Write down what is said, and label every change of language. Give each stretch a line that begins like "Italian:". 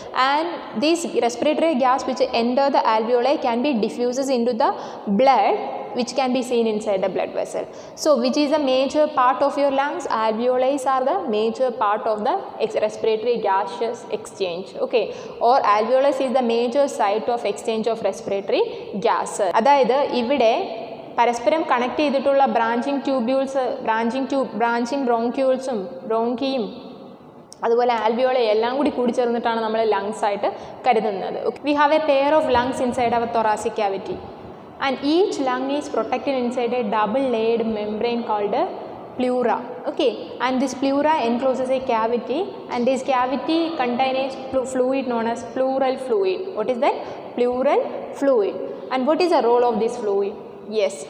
English: And these respiratory gas which enter the alveoli can be diffuses into the blood, which can be seen inside the blood vessel. So, which is a major part of your lungs? Alveoli are the major part of the respiratory gaseous exchange. Okay. Or alveoli is the major site of exchange of respiratory gas.
Malayalam: അതായത് ഇവിടെ പരസ്പരം connect ചെയ്തിട്ടുള്ള branching tubules, branching ബ്രോങ്ക്യൂൾസും ബ്രോങ്കിയും അതുപോലെ alveoli എല്ലാം കൂടി കൂടി ചേർന്നിട്ടാണ് നമ്മൾ ലങ്സ് ആയിട്ട് കരുതുന്നത്.
English: We have a pair of lungs inside our thoracic cavity. And each lung is protected inside a double-layered membrane called pleura. Okay. And this pleura encloses a cavity. And this cavity contains fluid known as pleural fluid. What is that? Pleural fluid. And what is the role of this fluid? Yes.